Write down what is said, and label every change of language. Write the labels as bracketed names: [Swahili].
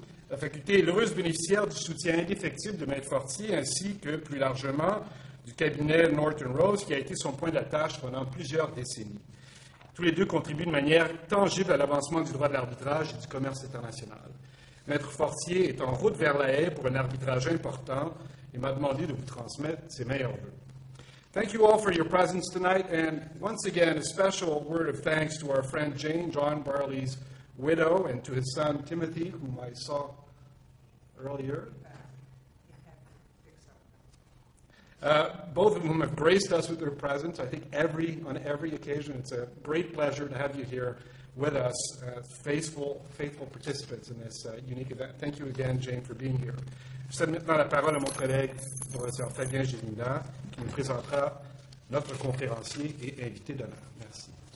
[French] La faculté est l'heureuse bénéficiaire du soutien indéfectible de Maître Fortier ainsi que, plus largement, du cabinet Norton Rose, qui a été son point d'attache pendant plusieurs décennies. Tous les deux contribuent de manière tangible à l'avancement du droit de l'arbitrage et du commerce international. Maître Fortier est en route vers La Haye pour un arbitrage important et m'a demandé de vous transmettre ses meilleurs vœux. [English] Thank you all for your presence tonight, and once again, a special word of thanks to our friend Jane, John Barley's widow, and to his son Timothy, whom I saw earlier. Both of whom have graced us with their presence, I think, on every occasion. It's a great pleasure to have you here with us, faithful participants in this unique event. Thank you again, Jane, for being here. [French] Je cède maintenant la parole à mon collègue, professeur Fabien Gélinda, qui nous présentera notre conférencier et invité d'honneur. Merci.